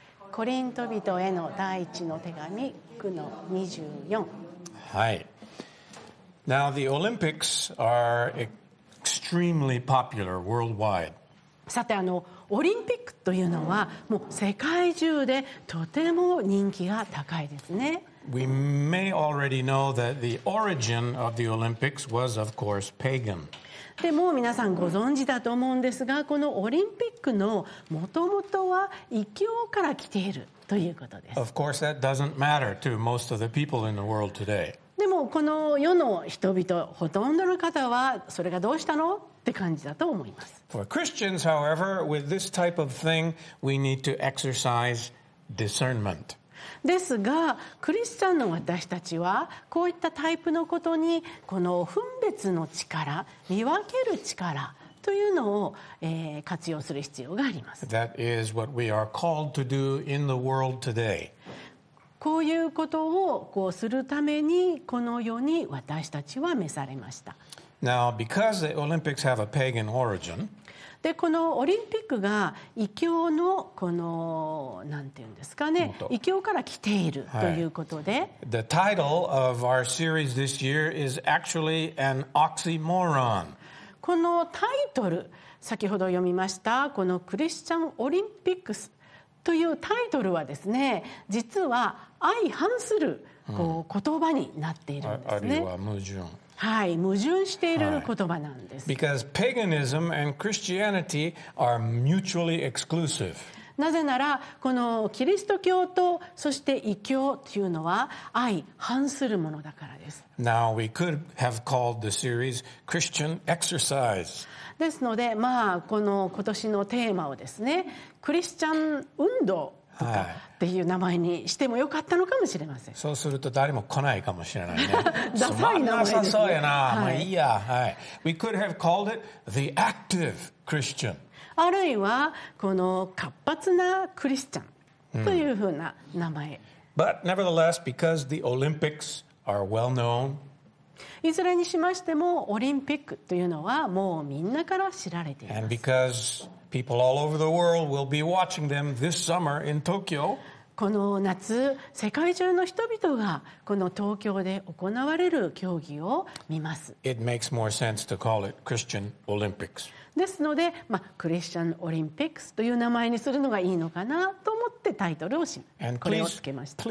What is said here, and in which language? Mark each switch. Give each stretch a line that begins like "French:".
Japanese: コリント人への第一の手紙9の24。
English: はい。Now the Olympics are extremely popular worldwide.
Japanese: さて、オリンピックというのはもう世界中でとても人気が高いですね。
English: We may already know that the origin of the Olympics was, of course, pagan.
Japanese: でも皆さんご存知だと思うんですが、このオリンピックのもともとは異教から来ているということです。
English: Of course, that doesn't matter to most of the people in the world today.
Japanese: でもこの世の人々、ほとんどの方はそれがどうしたのって感じだと思います。
English: For Christians, however, with this type of thing, we need to exercise discernment.
Japanese: ですが、クリスチャンの私たちはこういったタイプのことに、この分別の力、見分ける力というのを、活用する必要があります。
English: That is what we are called to do in the world today.
Japanese: こういうことをこうするためにこの世に私たちは召されました。
English: Now, because the Olympics have a pagan origin,
Japanese: でこのオリンピックが異教のこのなんていうんですかね、異教から来ているということで、はい、
English: The title of our series this year is actually an oxymoron.
Japanese: このタイトル、先ほど読みましたこのクリスチャンオリンピックスというタイトルはですね、実は相反するこう言葉になっているんですね。あるいは矛盾。はい、矛盾している言葉なんです。はい、
English: Because paganism and Christianity are mutually exclusive.
Japanese: なぜならこのキリスト教とそして異教というのは相反するものだからです。
English: Now we could have called the series Christian Exercise.
Japanese: ですので、まあこの今年のテーマをですね、クリスチャン運動とかっていう名前にしてもよかったのかもしれません。そうすると誰も来ないかもしれないね。ダサい名前ですね。そうやな、はい、まあいいや、はい。
English: We could have called it the active Christian.
Japanese: あるいはこの活発なクリスチャンというふうな名前。
English: But nevertheless, because the Olympics are well known,
Japanese: いずれにしましてもオリンピックというのはもうみんなから知られています。
English: And becausePeople all over the world will be watching them this summer in Tokyo.
Japanese: この夏、世界中の人々がこの東京で行われる競技を見ます。
English: It makes more sense to call it Christian Olympics.
Japanese: ですので、まあ、クリスチャンオリンピックスという名前にするのがいいのかなと思ってタイトルをし、これをつけました。